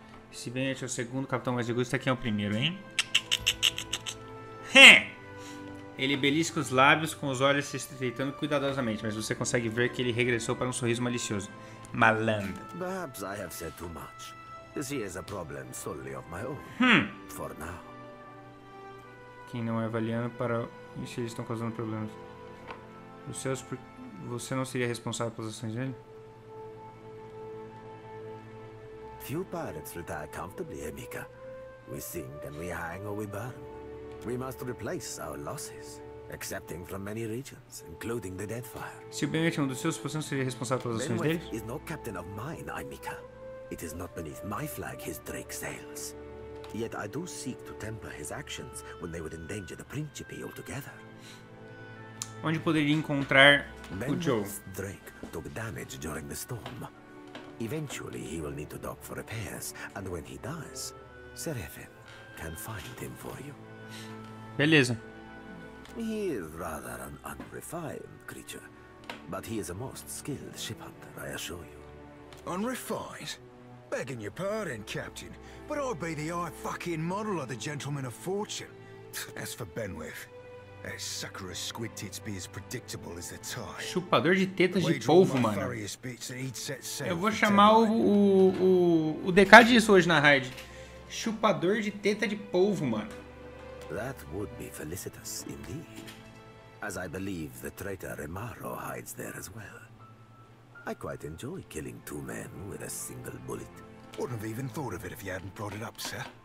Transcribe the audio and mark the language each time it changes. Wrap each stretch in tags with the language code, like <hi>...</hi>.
<pt>Se bem, este é o segundo capitão mais egoísta, quem é o primeiro, hein? Ele belisca os lábios com os olhos se estreitando cuidadosamente, mas você consegue ver que ele regressou para um sorriso malicioso. Malandro.</pt> <en>Perhaps I have said too much. This is a problem solely of my own. For now. Ok.</en> <pt>quem não é avaliando para e se eles estão causando problemas. Os seus, você não seria responsável pelas ações dele?</pt> <en>Few pirates retire comfortably, Emika. We sink and we hang or we burn. We must replace our losses, accepting from many regions, including the Deathfire.</en> <pt>Se o Bennett é um dos seus, você não seria responsável pelas ações dele?</pt> <en>Is no captain of mine, Emika. It is not beneath my flag his Drake sails. Yet I do seek to temper his actions when they would endanger the Principe altogether.</en> <pt>Onde poderia encontrar o Joe?</pt> <en>Drake took damage during the storm. Eventually he will need to dock for repairs, and when he does, Seraphim can find him for you.</en> <pt>Beleza.</pt> <en>He is rather an unrefined creature, but he is a most skilled ship hunter, I assure you. Unrefined? Begging your pardon, Captain, but I'd be the eye fucking model of the gentleman of fortune. As for Benwith, a sucker of squid tits be as predictable as the tide.</en> <pt>Chupador de tetas de polvo, mano. Eu vou chamar o DK disso hoje na raid. Chupador de teta de polvo, mano.</pt> <en>That would be felicitous indeed. As I believe the traitor Remaro hides there as well. I quite enjoy killing two men with a single bullet. Wouldn't have even thought of it if you hadn't brought it up, sir.</en>